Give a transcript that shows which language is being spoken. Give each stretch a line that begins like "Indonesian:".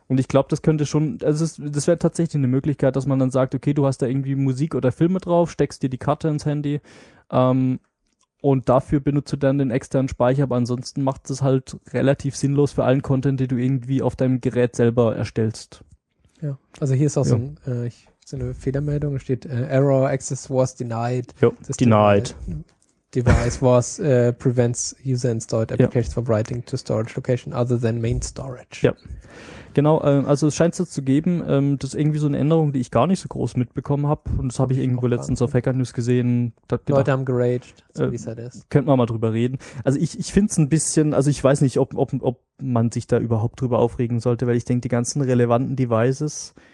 German: Und ich glaube, das könnte schon, das wäre tatsächlich eine Möglichkeit, dass man dann sagt, okay, du hast da irgendwie Musik oder Filme drauf, steckst dir die Karte ins Handy und dafür benutzt du dann den externen Speicher. Aber ansonsten macht es halt relativ sinnlos für allen Content, den du irgendwie auf deinem Gerät selber erstellst. Ja, also hier ist auch so eine Fehlermeldung, steht Error, Access was denied. Ja, denied.
English: Device was prevents user installed applications from writing to storage location other than main storage.
German: Ja, genau, also es scheint es zu geben, das ist irgendwie so eine Änderung, die ich gar nicht so groß mitbekommen habe und das habe ich irgendwo letztens auf Hacker News gesehen. Leute haben geraged, so wie es halt ist. Könnte man mal drüber reden. Also ich finde es ein bisschen, also ich weiß nicht, ob man sich da überhaupt drüber aufregen sollte, weil ich denke, die ganzen relevanten Devices